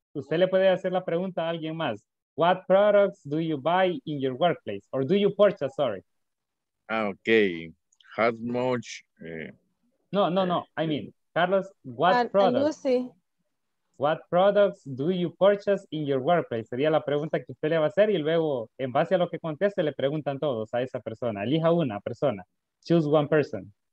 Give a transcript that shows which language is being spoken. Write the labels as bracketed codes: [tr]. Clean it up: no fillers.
[es] Usted le puede hacer la pregunta a alguien más. [en] What products do you buy in your workplace? Or do you purchase, sorry. Okay. How much? No. I mean, Carlos, what products? What products do you purchase in your workplace? [es] Sería la pregunta que usted le va a hacer y luego, en base a lo que conteste, le preguntan todos a esa persona. Elija una persona. [en] Choose one person.